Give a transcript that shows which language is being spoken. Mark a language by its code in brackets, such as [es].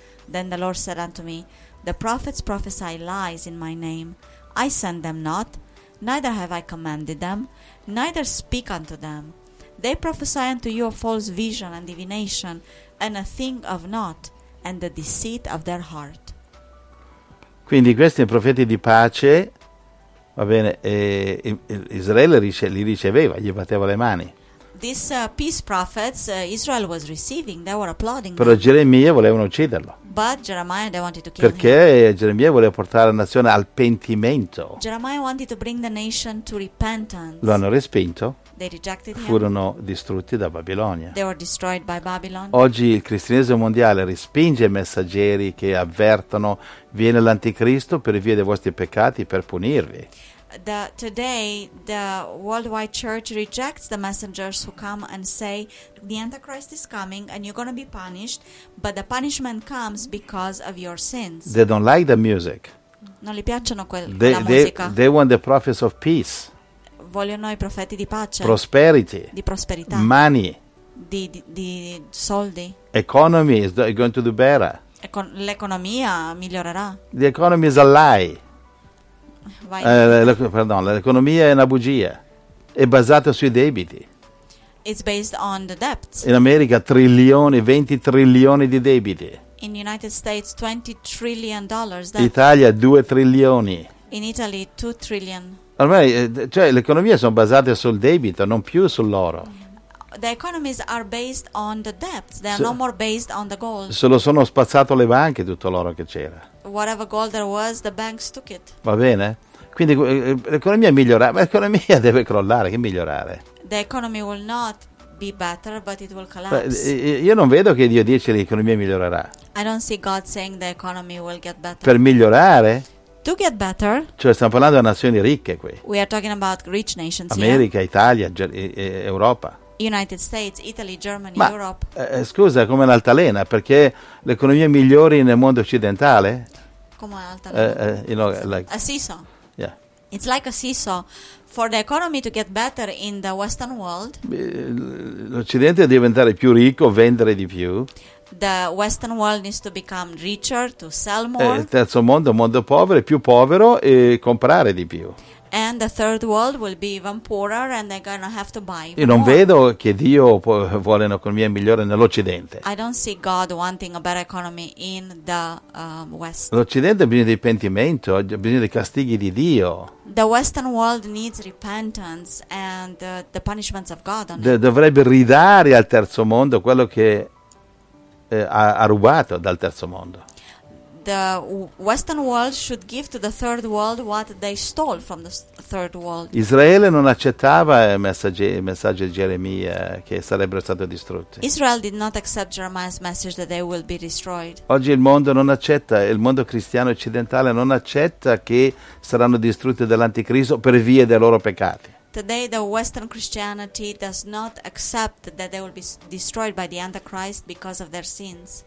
[en] Then the Lord said unto me, the prophets prophesy lies in my name. I send them not, neither have I commanded them, neither speak unto them. They prophesy unto you a false vision and divination, and a thing of naught, and the deceit of their heart. [it] Quindi questi profeti di pace, va bene, Israele li riceveva, gli batteva le mani. [en] These peace prophets Israel was receiving, they were applauding. [it] Però Geremia volevano ucciderlo. [en] But Jeremiah, they wanted to kill [it] perché [en] him. [it] Geremia voleva portare la nazione al pentimento. [en] Jeremiah wanted to bring the nation to repentance. [it] Lo hanno respinto. [en] They rejected him. [it] Furono distrutti da Babilonia. [en] They were destroyed by Babylon. [it] Oggi il cristianesimo mondiale respinge i messaggeri che avvertono, viene l'anticristo per via dei vostri peccati per punirvi. [en] Today the worldwide church rejects the messengers who come and say the Antichrist is coming and you're going to be punished, but the punishment comes because of your sins. They don't like the music. [it] Non li piacciono quella musica. [en] They want the prophets of peace. [it] Vogliono i profeti di pace. [en] Prosperity. [it] Di prosperità. [en] Money. [it] Di soldi. [en] Economy is going to do better. [it] L'economia migliorerà. [en] The economy is a lie. [it] l'economia è una bugia, è basata sui debiti. [en] It's based on the debts. [it] In America trilioni, 20 trilioni di debiti. [en] In the United States 20 trillion dollars. [it] Italia 2 trilioni. [en] In Italy 2 trillion. [it] Ormai, cioè, le economie sono basate sul debito, non più sull'oro. [en] The economies are based on the debts. They are no more based on the gold. [it] Se lo sono spazzato le banche tutto l'oro che c'era. [en] Whatever gold there was, the banks took it. [it] Va bene? Quindi l'economia migliora, ma l'economia deve crollare, che migliorare? [en] The economy will not be better, but it will collapse. [it] Io non vedo che Dio dice l'economia migliorerà. [en] I don't see God saying the economy will get better. [it] Per migliorare? [en] To get better. [it] Cioè, stiamo parlando di nazioni ricche qui. [en] We are talking about rich nations. [it] America, [en] here. [it] Italia, Europa. [en] United States, Italy, Germany, [it] ma, [en] Europe. [it] Scusa, come un'altalena, perché le economie migliori nel mondo occidentale? Come un'altalena. [en] Like, a seesaw. Yeah. It's like a seesaw. For the economy to get better in the Western world. [it] L'Occidente deve diventare più ricco, vendere di più. [en] The Western world needs to become richer, to sell more. [it] Il terzo mondo, mondo povero, più povero e comprare di più. [en] And the third world will be even poorer and they're going to have to buy more. [it] Io non vedo che Dio vuole un'economia migliore nell'Occidente. [en] I don't see God wanting a better economy in the West. [it] L'Occidente ha bisogno di pentimento, ha bisogno dei castighi di Dio. [en] The Western world needs repentance and the punishments of God. [it] Dovrebbe ridare al terzo mondo quello che ha rubato dal terzo mondo. [en] The Western world should give to the third world what they stole from the third world. [it] Israele non accettava il messaggio di Geremia che sarebbero stati distrutti. [en] Israel did not accept Jeremiah's message that they will be destroyed. [it] Oggi il mondo non accetta, il mondo cristiano occidentale non accetta che saranno distrutti dall'anticristo per via dei loro peccati. [en] Today the Western Christianity does not accept that they will be destroyed by the Antichrist because of their sins.